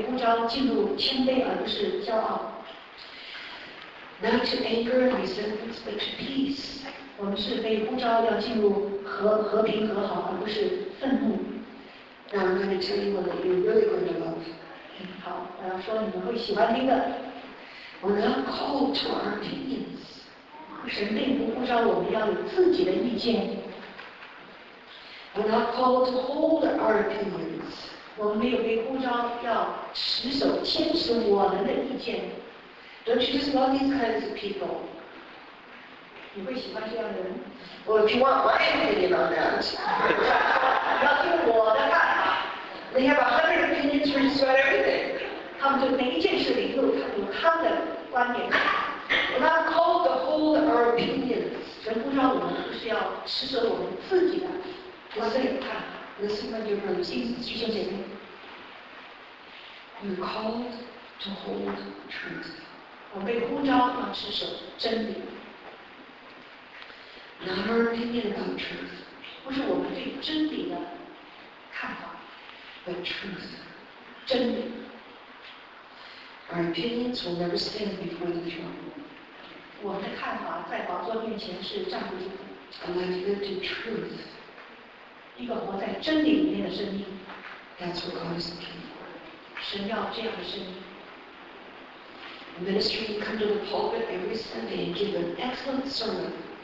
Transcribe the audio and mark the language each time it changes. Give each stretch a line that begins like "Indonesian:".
Chinese: 生命的呼召里面，我们被呼召进入谦卑，而不是骄傲。
English: Not to anger and resentment, but to peace.
Chinese: 我们是被呼召要进入和平和好，而不是愤怒。
English: Now I'm going to tell you what you're really going to love.
Chinese: 好，我要说你们会喜欢听的。
English: We're not called to our opinions.
Chinese: 神并不呼召我们要有自己的意见。
English: We're not called to hold our opinions.
Chinese: 我们没有被呼召要持守、坚持我们的意见。
English: Don't you just love these kinds of people?
Chinese: 你会喜欢这样的人?
English: Well, if you want my opinion on that,
Chinese: 要听我的看法。
English: They have 100 opinions for just about everything.
Chinese: 他们对每一件事情都有他们的观点。
English: We're not called to hold our opinions.
Chinese: 神呼召我们不是要持守我们自己的。
English: Listen, my dear brothers. You're called to hold truth.
Chinese: 我被呼召是真理。
English: Not our opinion about truth.
Chinese: 不是我们对真理的看法。
English: But truth.
Chinese: 真理。
English: Our opinions will never stand before the throne.
Chinese: 我们的看法在宝座面前是站不住。
English: And I've lived in truth.
Chinese: 一个活在真理里面的生命。
English: That's what God is looking for.
Chinese: 神要这样的生命。
English: Ministry can come to the pulpit every Sunday and give an excellent sermon.